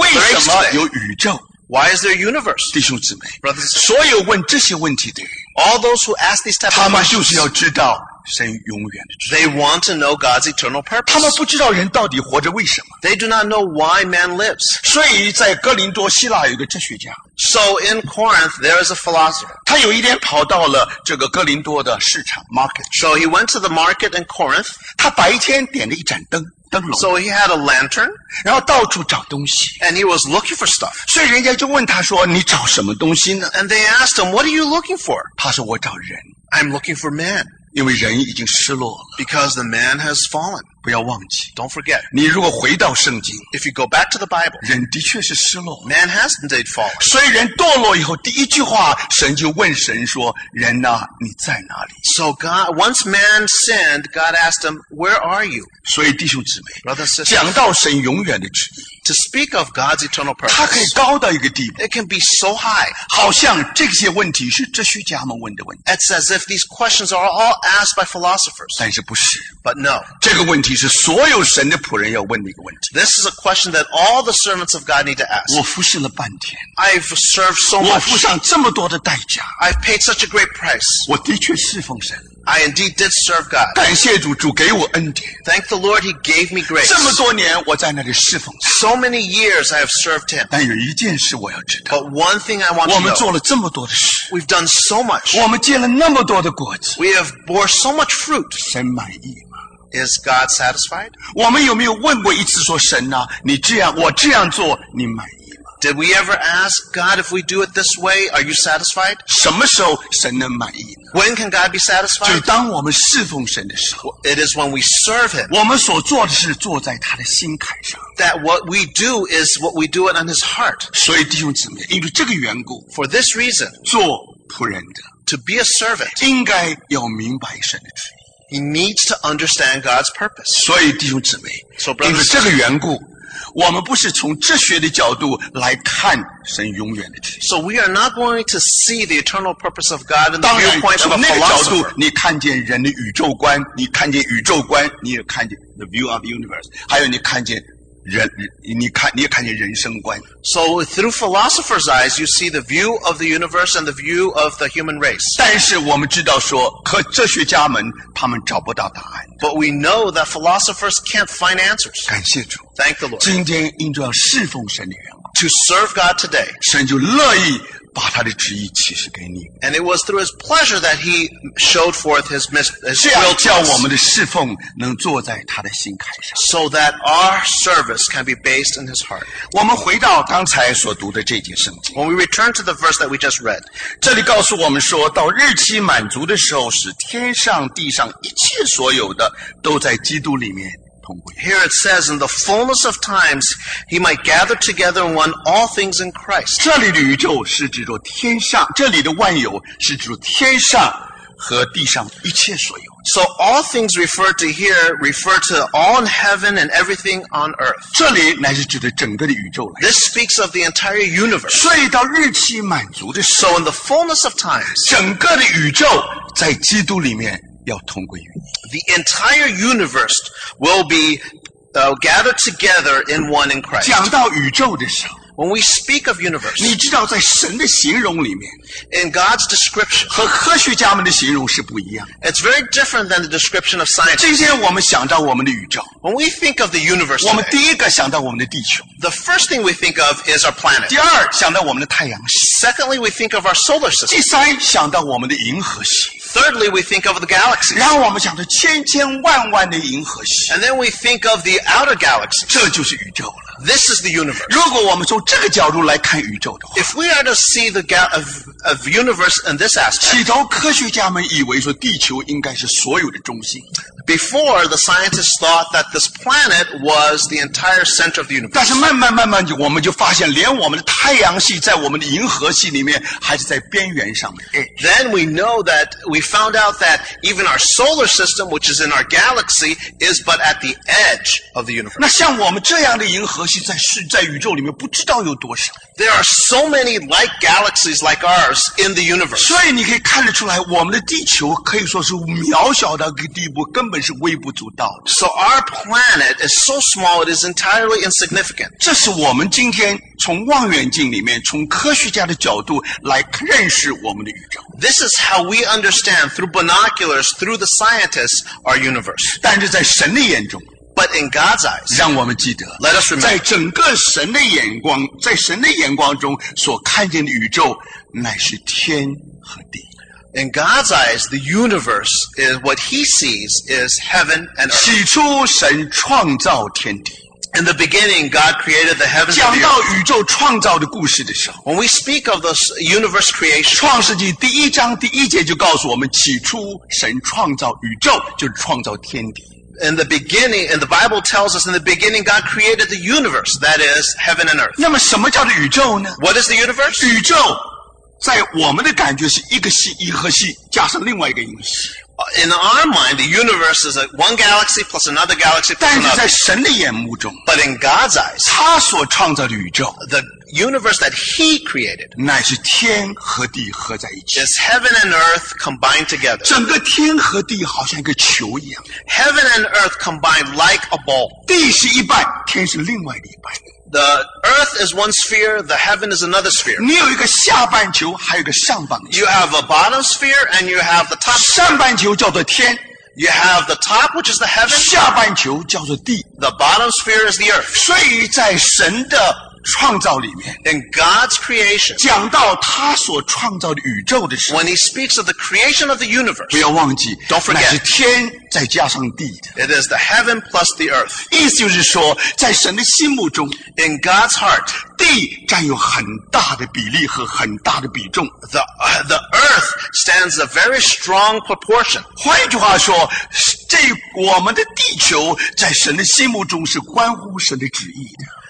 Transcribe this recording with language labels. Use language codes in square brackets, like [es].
[zh] 为什么有宇宙？ [en] Why is there a universe? [zh] 弟兄姊妹 [en] Brothers and sisters, [zh] 所有问这些问题的人 [en] All those who ask these type of questions [zh] 他们就是要知道神永远的旨意 [en] They want to know God's eternal purpose [zh] 他们不知道人到底活着为什么 [en] They do not know why man lives [zh] 所以在哥林多希腊有个哲学家 [en] So in Corinth there is a philosopher [zh] 他有一天跑到了这个哥林多的市场 market [en] So he went to the market in Corinth [zh] 他白天点了一盏灯 [en] So he had a lantern, [zh] 然后到处找东西 [en] and he was looking for stuff. [zh] 所以人家就问他说你找什么东西呢 [en] And they asked him, what are you looking for? [zh] 他说我找人 [en] I'm looking for man. [zh] 因为人已经失落了。 [en] Because the man has fallen. [zh] 不要忘记。 [en] Don't forget. [zh] 你如果回到圣经。 [en] If you go back to the Bible. [zh] 人的确是失落。 [en] Man has indeed fallen. [zh] 所以人堕落以后第一句话神就问神说人啊你在哪里。 [en] So God, once man sinned, God asked him, where are you? [zh] 所以弟兄姊妹。 [en] Brother and sister. [zh] 讲到神永远的旨意。 [en] To speak of God's eternal purpose. [zh] 它可以高到一个地步。 [en] It can be so high. [zh] 好像这些问题是哲学家们问的问题。 [en] It's as if these questions are all asked by philosophers. [zh] 但是不是。 [en] But no. [zh] 这个问题是所有神的仆人要问的一个问题。 [en] This is a question that all the servants of God need to ask. [zh] 我服侍了半天。 [en] I've served so much. [zh] 我付上这么多的代价。 [en] I've paid such a great price. [zh] 我的确侍奉神。 [en] I indeed did serve God. [zh] 感谢主，主给我恩典。 [en] Thank the Lord, He gave me grace. [zh] 这么多年我在那里侍奉。 [en] So many years I have served Him. [zh] 但有一件事我要知道。 [en] But one thing I want to know. [zh] 我们做了这么多的事。 [en] We've done so much. [zh] 我们结了那么多的果子。 [en] We have bore so much fruit. [zh] 神满意吗？ [en] Is God satisfied? [zh] 我们有没有问过一次说神啊，你这样，我这样做，你满意？ [en] Did we ever ask God if we do it this way, are you satisfied? [zh] 什么时候神能满意呢? [en] When can God be satisfied? [zh] 就当我们侍奉神的时候。 [en] It is when we serve Him. [zh] 我们所做的是做在他的心坎上。 [en] That what we do is what we do it on His heart. [zh] 所以弟兄姊妹，因为这个缘故。 [en] For this reason. [zh] 做仆人的。 [en] To be a servant. [zh] 应该要明白神的旨意。 [en] He needs to understand God's purpose. [zh] 所以弟兄姊妹。 [en] So brothers, [zh] 因为这个缘故。我们不是从哲学的角度来看神永远的旨意。 [en] So we are not going to see the eternal purpose of God in the viewpoint of a philosopher. [zh] 从那个角度，你看见人的宇宙观，你看见宇宙观，你也看见 [en] the view of the universe. [zh] 还有你看见人，你也看见人生观。 [en] So through philosopher's eyes, you see the view of the universe and the view of the human race. [zh] 但是我们知道说，可哲学家们他们找不到答案。 [en] But we know that philosophers can't find answers. [zh] 感谢主。 [en] Thank the Lord. [zh] 今天应当侍奉神的缘故。 [en] To serve God today. [zh] 神就乐意把他的旨意启示给你。 [en] And it was through His pleasure that He showed forth His will. [zh] 这样叫我们的侍奉能坐在他的心坎上。 [en] So that our service can be based in His heart. [zh] 我们回到刚才所读的这节圣经。 [en] When we return to the verse that we just read. [zh] 这里告诉我们说到日期满足的时候使天上地上一切所有的都在基督里面。 [en] Here it says, in the fullness of times, he might gather together in one all things in Christ. [zh] 这里的宇宙是指着天上，这里的万有是指着天上和地上一切所有。 [en] So all things referred to here refer to all in heaven and everything on earth. [zh] 这里乃是指的整个的宇宙来。 [en] This speaks of the entire universe. [zh] 所以到日期满足的时候。 [en] So in the fullness of times, [zh] 整个的宇宙在基督里面。要通过于你。 [en] The entire universe will be gathered together in one in Christ. [zh] 讲到宇宙的时候。 [en] When we speak of universe. [zh] 你知道在神的形容里面。 [en] In God's description. [zh] 和科学家们的形容是不一样。 [en] It's very different than the description of science. [zh] 今天我们想到我们的宇宙。 [en] When we think of the universe. [zh] 我们第一个想到我们的地球。 [en] The first thing we think of is our planet. [zh] 第二想到我们的太阳系。 [en] Secondly, we think of our solar system. [zh] 第三想到我们的银河系。 [en] Thirdly, we think of the galaxies. [zh] 然后我们想到千千万万的银河系。 [en] And then we think of the outer galaxies. [zh] 这就是宇宙了。 [en] This is the universe. [zh] 如果我们从这个角度来看宇宙的话。 [en] If we are to see the of universe in this aspect. [zh] 起头科学家们以为说地球应该是所有的中心。 [en] Before, the scientists thought that this planet was the entire center of the universe. [zh] 但是慢慢慢慢就我们就发现连我们的太阳系在我们的银河系里面还是在边缘上面。 [en] Then we know that we found out that even our solar system, which is in our galaxy, is but at the edge of the universe. [zh] 那像我们这样的银河系在宇宙里面不知道有多少。 [en] There are so many like galaxies like ours in the universe. [zh] 所以你可以看得出来我们的地球可以说是渺小的地步根本是微不足道的。 [en] So our planet is so small it is entirely insignificant. [zh] 这是我们今天从望远镜里面从科学家的角度来认识我们的宇宙。 [en] This is how we understand through binoculars, through the scientists, our universe. [zh] 但是在神的眼中 [en] But in God's eyes, [zh] 让我们记得 [en] Let us remember, [zh] 在整个神的眼光在神的眼光中所看见的宇宙乃是天和地。 [en] In God's eyes, the universe is what He sees is heaven and earth. [zh] 起初神创造天地。 [en] In the beginning, God created the heavens and the earth. [zh] 讲到宇宙创造的故事的时候 [en] When we speak of the universe creation, [zh] 创世纪第一章第一节就告诉我们起初神创造宇宙就创造天地。 [en] In the beginning, and the Bible tells us in the beginning, God created the universe, that is, heaven and earth. [zh] 那么什么叫做宇宙呢 [en] What is the universe? [zh] 宇宙在我们的感觉是一个系一个系加上另外一个银系。 [en] In our mind, the universe is one galaxy plus another galaxy plus another. [zh] 但是在神的眼目中 [en] But in God's eyes, [zh] 他所创造的宇宙 [en] the universe that he created, [zh] 乃是天和地合在一起 [en] is heaven and earth combined together. [zh] 整个天和地好像一个球一样 [en] Heaven and earth combined like a ball. [zh] 地是一半天是另外的一半 [en] The earth is one sphere, the heaven is another sphere. [zh] 你有一个下半球，还有一个上半球。 [en] You have a bottom sphere and you have the top sphere. [zh] 上半球叫做天。 [en] You have the top, which is the heaven. [zh] 下半球叫做地。 [en] The bottom sphere is the earth. [zh] 所以在神的创造里面 [en] In God's creation, [zh] 讲到他所创造的宇宙的时候 [en] When he speaks of the creation of the universe, [zh] 不要忘记 [en] Don't forget, [zh] 乃是天再加上地的 [en] It is the heaven plus the earth. [zh] 意思就是说在神的心目中 [en] In God's heart, [zh] 地占有很大的比例和很大的比重 [en] the earth stands a very strong proportion. [zh] 换句话说这我们的地球在神的心目中是关乎神的旨意的